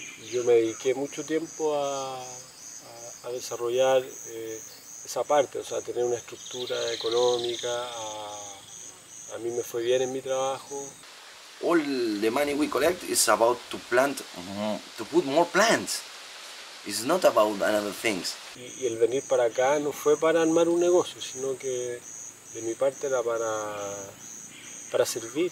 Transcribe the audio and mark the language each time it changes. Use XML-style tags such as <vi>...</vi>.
<es>Yo me dediqué mucho tiempo a desarrollar esa parte, o sea, a tener una estructura económica. A mí me fue bien en mi trabajo.</es> <en>All the money we collect is about to plant, to put more plants. It's not about other things.</en> <es>Y el venir para acá no fue para armar un negocio, sino que de mi parte era para servir.</es>